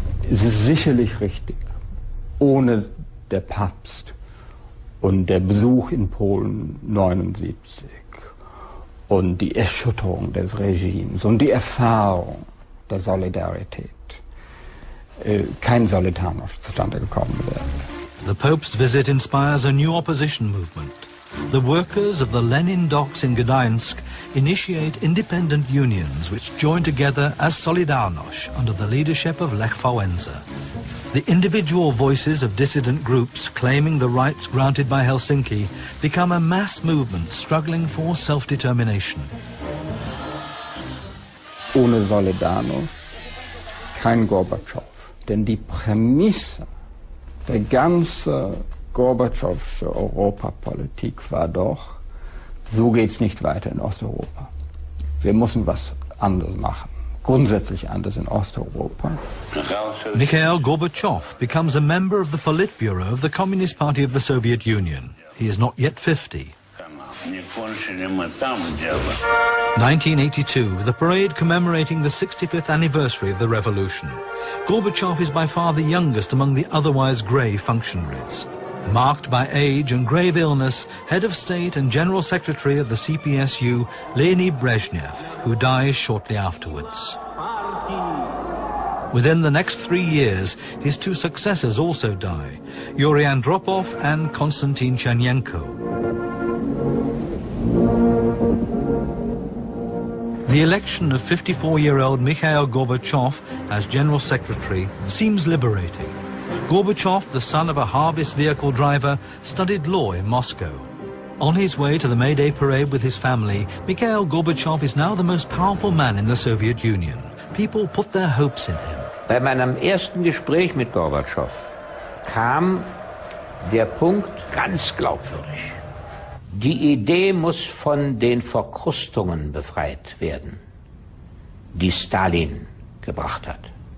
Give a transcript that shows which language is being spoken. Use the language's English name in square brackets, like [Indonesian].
[German] Es ist sicherlich richtig, ohne der Papst und der Besuch in Polen 79 und die Erschütterung des Regimes und die Erfahrung der Solidarität kein Solidarność zustande gekommen wäre. [English] The Pope's visit inspires a new opposition movement. The workers of the Lenin docks in Gdańsk initiate independent unions which join together as Solidarność under the leadership of Lech Wałęsa. The individual voices of dissident groups claiming the rights granted by Helsinki become a mass movement struggling for self-determination. [German] Ohne Solidarność kein Gorbatschow, denn die Prämisse der ganzen Gorbatschowsche Europapolitik war doch, so geht's nicht weiter in Osteuropa. Wir müssen was anderes machen, grundsätzlich anders in Osteuropa. [English] Mikhail Gorbachev becomes a member of the Politburo of the Communist Party of the Soviet Union. He is not yet 50. 1982, the parade commemorating the 65th anniversary of the revolution. Gorbachev is by far the youngest among the otherwise grey functionaries. Marked by age and grave illness, head of state and general secretary of the CPSU, Leonid Brezhnev, who dies shortly afterwards. Within the next 3 years, his two successors also die, Yuri Andropov and Konstantin Chernenko. The election of 54-year-old Mikhail Gorbachev as general secretary seems liberating. Gorbachev, the son of a harvest vehicle driver, studied law in Moscow. On his way to the May Day parade with his family, Mikhail Gorbachev is now the most powerful man in the Soviet Union. People put their hopes in him. [German] Bei meinem ersten Gespräch mit Gorbachev kam der Punkt ganz glaubwürdig. Die Idee muss von den Verkrustungen befreit werden, die Stalin gebracht hat.